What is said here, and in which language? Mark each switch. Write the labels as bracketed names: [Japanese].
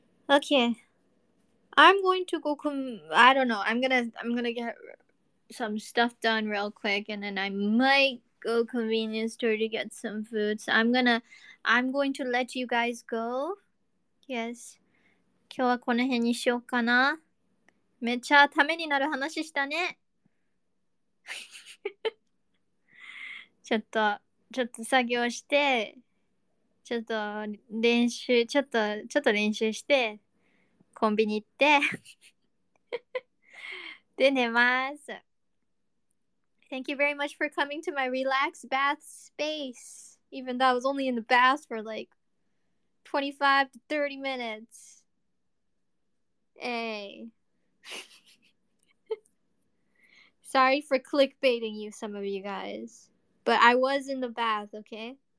[English] Okay, I'm going to go. I don't know. I'm gonna get some stuff done real quick, and then I might go convenience store to get some food. So I'm going to let you guys go. Yes. [Japanese] 今日はこの辺にしようかな。めっちゃためになる話したね。ちょっと作業して、ちょっと練習、ちょっと練習して、コンビニ行って、で寝ます。 [English] Thank you very much for coming to my relaxed bath space. Even though I was only in the bath for like 25 to 30 minutes. Hey. Sorry for clickbaiting you, some of you guys. But I was in the bath, okay?